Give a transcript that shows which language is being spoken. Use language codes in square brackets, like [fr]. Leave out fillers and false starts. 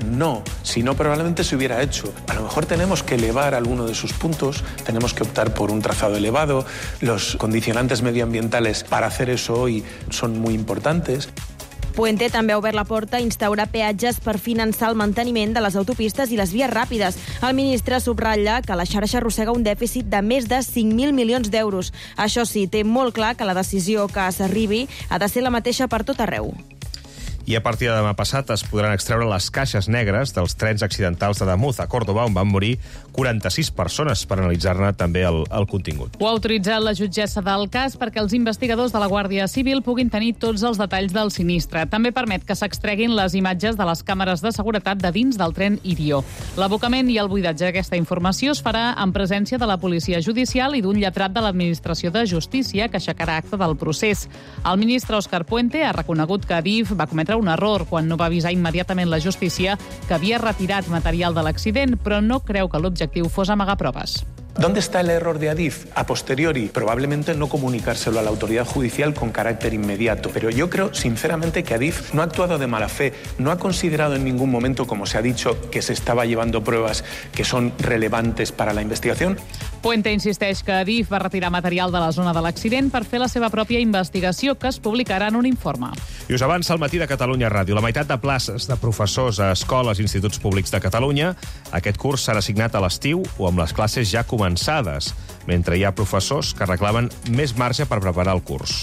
[es] No, si no probablemente se hubiera hecho. A lo mejor tenemos que elevar alguno de sus puntos, tenemos que optar por un trazado elevado, los condicionantes medioambientales para hacer eso hoy son muy importantes. [ca] Puente també ha obert la porta a instaurar peatges per finançar el manteniment de les autopistes i les vies ràpides. El ministre subratlla que la xarxa arrossega un dèficit de més de 5.000 milions d'euros. Això sí, té molt clar que la decisió que s'arribi ha de ser la mateixa per tot arreu. I a partir de demà passat es podran extreure les caixes negres dels trens accidentals d'Ademuz, a Córdoba, on van morir 46 persones, per analitzar-ne també el contingut. Ho ha autoritzat la jutgessa del cas perquè els investigadors de la Guàrdia Civil puguin tenir tots els detalls del sinistre. També permet que s'extreguin les imatges de les càmeres de seguretat de dins del tren Irió. L'abocament i el buidatge d'aquesta informació es farà en presència de la policia judicial i d'un lletrat de l'Administració de Justícia que aixecarà acte del procés. El ministre Òscar Puente ha reconegut que Adif va cometre un error quan no va avisar immediatament la justícia que havia retirat material de l'accident, però no creu que l'objectiu fos amagar proves. [es] ¿Dónde está el error de Adif? A posteriori, probablemente no comunicárselo a la autoridad judicial con carácter inmediato. Pero yo creo, sinceramente, que Adif no ha actuado de mala fe, no ha considerado en ningún momento, como se ha dicho, que se estaba llevando pruebas que son relevantes para la investigación. [ca] Puente insisteix que Adif va retirar material de la zona de l'accident per fer la seva pròpia investigació, que es publicarà en un informe. I us avança el matí de Catalunya Ràdio. La meitat de places de professors a escoles i instituts públics de Catalunya aquest curs serà assignat a l'estiu o amb les classes ja començades, mentre hi ha professors que reclamen més marge per preparar el curs.